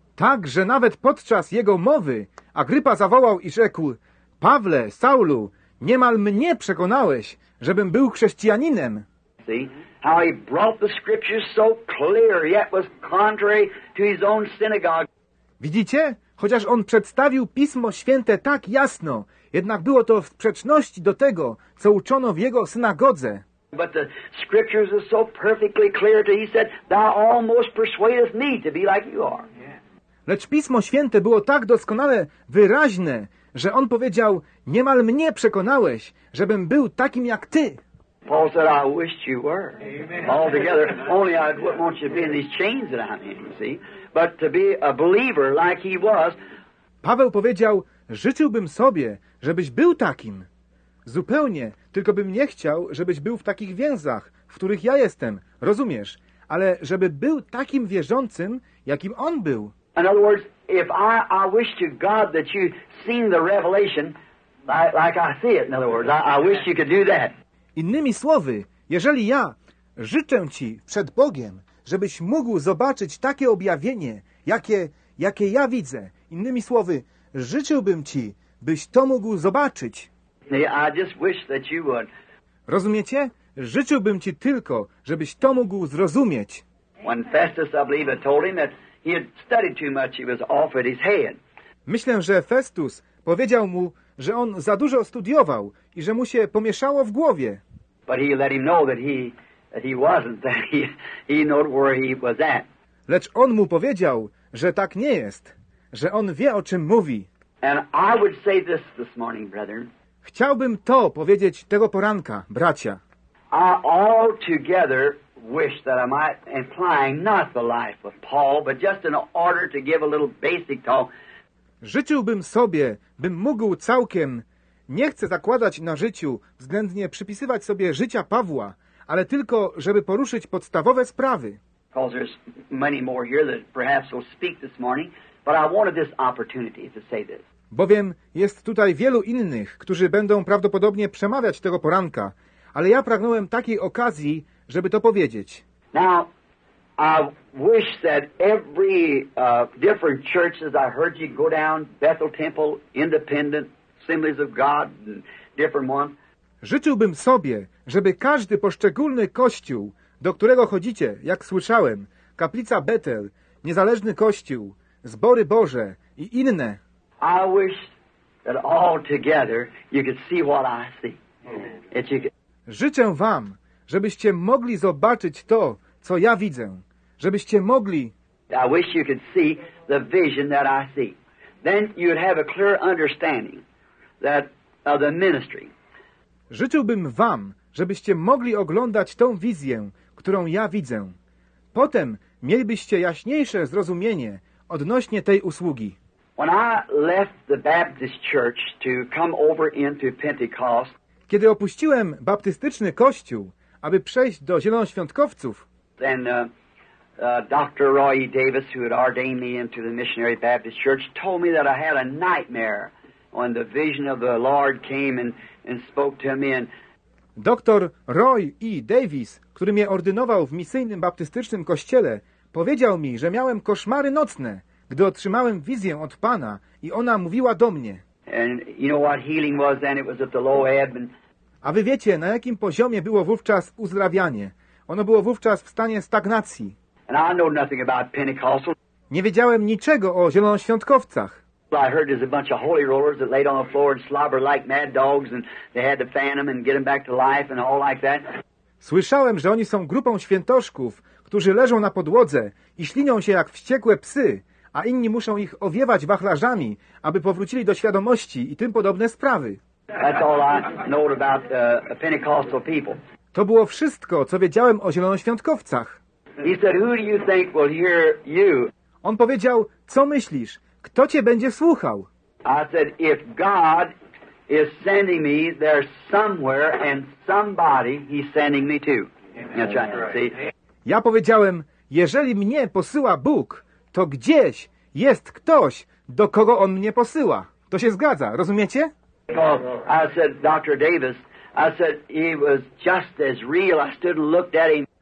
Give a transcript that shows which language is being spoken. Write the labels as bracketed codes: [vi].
[pl] Tak, że nawet podczas jego mowy Agrypa zawołał i rzekł, Pawle, Saulu, niemal mnie przekonałeś, żebym był chrześcijaninem. [en] See how he brought the scriptures so clear, yet was contrary to his own synagogue. [pl] Widzicie? Chociaż on przedstawił Pismo Święte tak jasno, jednak było to w sprzeczności do tego, co uczono w jego synagodze. [en] But the scriptures are so perfectly clear that he said, thou almost persuadest me to be like you are. [pl] Lecz Pismo Święte było tak doskonale wyraźne, że on powiedział, niemal mnie przekonałeś, żebym był takim jak ty. [en] Paul said, I wished you were. Amen. All together, only I wouldn't want you to be in these chains that I'm in, see? But to be a believer like he was. [pl] Paweł powiedział, życzyłbym sobie, żebyś był takim. Zupełnie, tylko bym nie chciał, żebyś był w takich więzach, w których ja jestem, rozumiesz? Ale żeby był takim wierzącym, jakim on był. [en] In other words, if I wish to God that you seen the revelation like I see it, in other words, I wish you could do that. [pl] Innymi słowy, jeżeli ja życzę ci przed Bogiem, żebyś mógł zobaczyć takie objawienie, jakie ja widzę. Innymi słowy, życzyłbym ci, byś to mógł zobaczyć. [en] I just wish that you would. [pl] Rozumiecie? Życzyłbym ci tylko, żebyś to mógł zrozumieć. [en] When Festus, I believe, told him that he had studied too much, he was offered his head. [pl] Myślę, że Festus powiedział mu, że on za dużo studiował i że mu się pomieszało w głowie. [en] But he let him know that he wasn't, that he knew where he was at. [pl] Lecz on mu powiedział, że tak nie jest, że on wie, o czym mówi. [en] And I would say this morning, brethren. [pl] Chciałbym to powiedzieć tego poranka, bracia. [en] I altogether wish that I might implying not the life of Paul, but just in order to give a little basic talk. [pl] Życzyłbym sobie, bym mógł całkiem, nie chcę zakładać na życiu, względnie przypisywać sobie życia Pawła, ale tylko, żeby poruszyć podstawowe sprawy. [en] Because there's many more here that perhaps will speak this morning, but I wanted this opportunity to say this. [pl] Bowiem jest tutaj wielu innych, którzy będą prawdopodobnie przemawiać tego poranka, ale ja pragnąłem takiej okazji, żeby to powiedzieć. [en] Now, I wish that every different churches I heard you go down, Bethel Temple, Independent, Assemblies of God, and different ones. [pl] Życzyłbym sobie, żeby każdy poszczególny kościół, do którego chodzicie, jak słyszałem, Kaplica Bethel, Niezależny Kościół, Zbory Boże i inne. [en] I wish that all together you could see what I see. That you could... [pl] Życzę wam, żebyście mogli zobaczyć to, co ja widzę. Żebyście mogli. [en] I wish you could see the vision that I see. Then you'd have a clear understanding that of the ministry. [pl] Życzyłbym wam, żebyście mogli oglądać tą wizję, którą ja widzę. Potem mielibyście jaśniejsze zrozumienie odnośnie tej usługi. [en] When I left the Baptist church to come over into Pentecost, [pl] kiedy opuściłem baptystyczny kościół, aby przejść do Zielonoświątkowców, [en] then Dr. Roy Davis, who had ordained me into the Missionary Baptist Church, told me that I had a nightmare when the vision of the Lord came and spoke to me. [pl] Dr. Roy E. Davis, który mnie ordynował w misyjnym baptystycznym kościele, powiedział mi, że miałem koszmary nocne, gdy otrzymałem wizję od Pana i ona mówiła do mnie. [en] And you know what healing was then? It was at the low ebb. [pl] A wy wiecie, na jakim poziomie było wówczas uzdrawianie? Ono było wówczas w stanie stagnacji. [en] And I know nothing about Pentecostal. [pl] Nie wiedziałem niczego o Zielonoświątkowcach. [en] I heard there's a bunch of holy rollers that laid on the floor and slobber like mad dogs and they had to fan them and get them back to life and all like that. [pl] Słyszałem, że oni są grupą świętoszków, którzy leżą na podłodze i ślinią się jak wściekłe psy, a inni muszą ich owiewać wachlarzami, aby powrócili do świadomości i tym podobne sprawy. [en] That's all I know about the Pentecostal people. [pl] To było wszystko, co wiedziałem o Zielonoświątkowcach. [en] He said, who do you think will hear you? [pl] On powiedział, co myślisz? Kto cię będzie słuchał? [en] I said, if God is sending me, there's somewhere and somebody he's sending me to. That's right. See? [pl] Ja powiedziałem, jeżeli mnie posyła Bóg, to gdzieś jest ktoś, do kogo on mnie posyła. To się zgadza, rozumiecie? [en] Well, I said, Dr. Davis, I said he was just as real. I stood and looked at him.